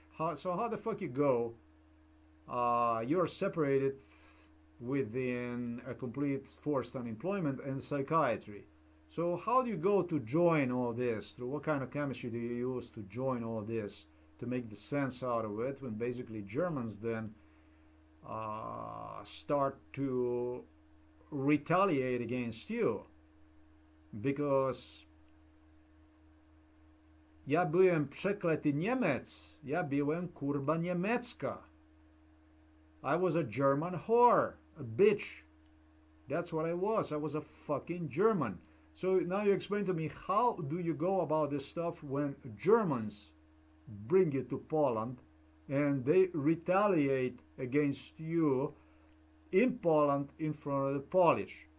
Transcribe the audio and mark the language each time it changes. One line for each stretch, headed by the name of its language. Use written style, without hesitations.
English: How the fuck you go, you're separated within a complete forced unemployment and psychiatry. So how do you go to join all this? Through what kind of chemistry do you use to join all this to make the sense out of it, when basically Germans then start to retaliate against you?
Polish: Because ja byłem przeklety Niemiec, ja byłem kurba niemiecka.
English: I was a German whore, a bitch. That's what I was. I was a fucking German. So now you explain to me, how do you go about this stuff when Germans bring you to Poland and they retaliate against you in Poland in front of the Polish?